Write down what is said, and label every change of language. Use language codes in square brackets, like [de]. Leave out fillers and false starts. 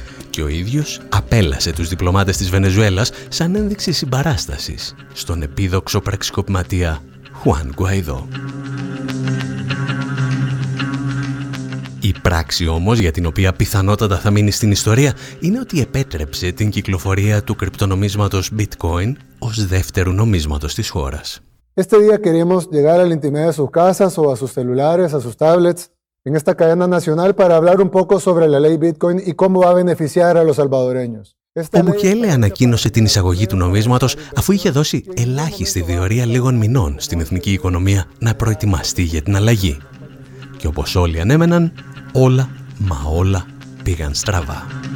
[el] Και ο ίδιος απέλασε τους διπλωμάτες της Βενεζουέλας σαν ένδειξη συμπαράστασης στον επίδοξο πραξικοπηματία Χουάν Γκουαϊδό. Η πράξη όμως για την οποία πιθανότατα θα μείνει στην ιστορία είναι ότι επέτρεψε την κυκλοφορία του κρυπτονομίσματος Bitcoin ως δεύτερου νομίσματος της χώρας. [es] Este día queremos llegar a la intimidad de sus casas o a sus celulares, a sus tablets, en esta cadena nacional para hablar un poco sobre la ley Bitcoin y cómo va a beneficiar a los salvadoreños. [el] Ο Μπουκέλε ανακοίνωσε την εισαγωγή του νομίσματος αφού είχε δώσει ελάχιστη διορία λίγων μηνών στην εθνική οικονομία να προετοιμαστεί για την αλλαγή. Και όπως όλοι ανέμεναν, όλα μα όλα πήγαν στραβά.